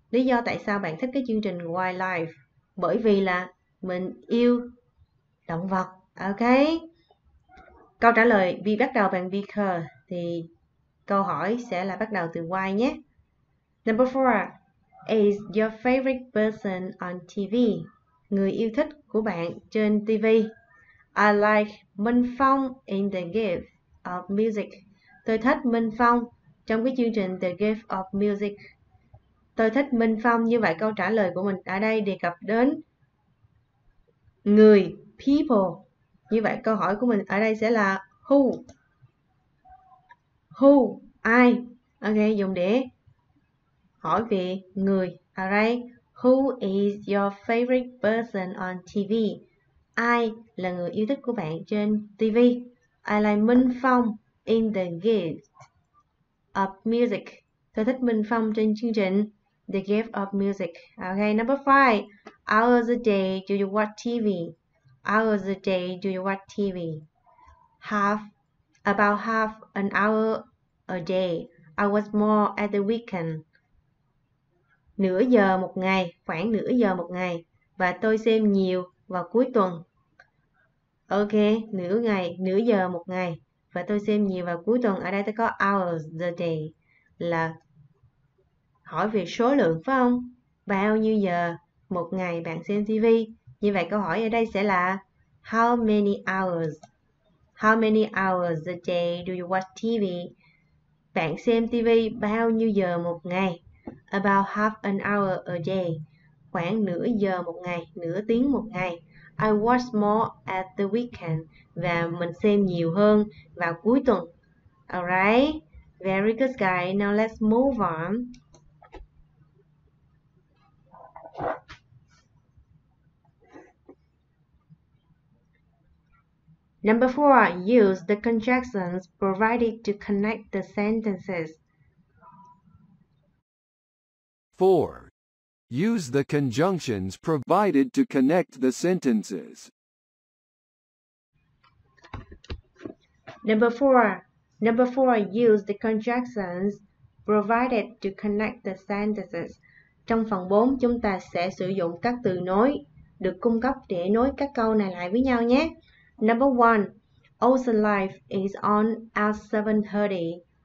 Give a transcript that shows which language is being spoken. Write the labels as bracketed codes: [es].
[vi] Lý do tại sao bạn thích cái chương trình wildlife? Bởi vì là mình yêu động vật. Ok, câu trả lời vì bắt đầu bằng because thì câu hỏi sẽ là bắt đầu từ why nhé. [en] Number 4. Is your favorite person on TV? [vi] Người yêu thích của bạn trên TV. [en] I like Minh Phong in The Gift of Music. [vi] Tôi thích Minh Phong trong cái chương trình The Gift of Music. Tôi thích Minh Phong. Như vậy câu trả lời của mình ở đây đề cập đến người, people. Như vậy câu hỏi của mình ở đây sẽ là who? Who? Ai? Ok, dùng để hỏi về người. [en] Alright, who is your favorite person on TV? [vi] Ai là người yêu thích của bạn trên TV? [en] I like Minh Phong in The Gift of Music. [vi] Tôi thích Minh Phong trên chương trình The Gift of Music. [en] Okay, number 5. Hours a day do you watch TV? Hours a day do you watch TV? About half an hour a day. I watch more at the weekend. [vi] Nửa giờ một ngày, khoảng nửa giờ một ngày. Và tôi xem nhiều vào cuối tuần. Ok, nửa ngày, nửa giờ một ngày. Và tôi xem nhiều vào cuối tuần. Ở đây ta có hours a day, là hỏi về số lượng phải không? Bao nhiêu giờ một ngày bạn xem TV? Như vậy câu hỏi ở đây sẽ là how many hours? [en] How many hours a day do you watch TV? [vi] Bạn xem TV bao nhiêu giờ một ngày? [en] About half an hour a day, [vi] khoảng nửa giờ một ngày, nửa tiếng một ngày. [en] I watch more at the weekend, [vi] và mình xem nhiều hơn vào cuối tuần. [en] Alright, very good guys. Now let's move on. Number 4. Use the conjunctions provided to connect the sentences. 4. Use the conjunctions provided to connect the sentences. Number 4. Use the conjunctions provided to connect the sentences. [vi] Trong phần 4, chúng ta sẽ sử dụng các từ nối được cung cấp để nối các câu này lại với nhau nhé. [en] Number one, ocean life is on at 7:30.